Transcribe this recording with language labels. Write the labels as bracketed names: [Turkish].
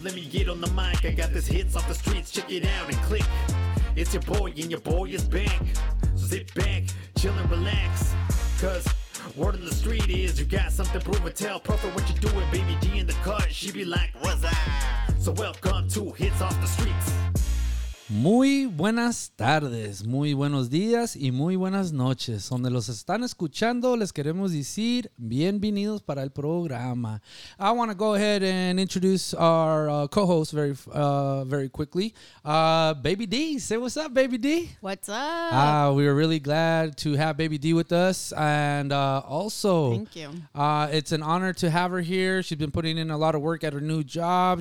[English] Let me get on the mic. I got this Hitz off the Streetz. Check it out and click. It's your boy is back. So sit back, chill and relax. Cause word on the street is you got something proven. Tell Profit what you're doing, baby D in the cut. She be like, what's up? So welcome to Hitz off the Streetz. [Spanish] Muy buenas tardes, muy buenos días y muy buenas noches. Donde los están escuchando, les queremos decir bienvenidos para el programa. [English] I want to go ahead and introduce our co-host very quickly. Baby D, say what's up, Baby D. What's up? We are really glad to have Baby D with us. And also, thank you. It's an honor to have her here. She's been putting in a lot of work at her new job.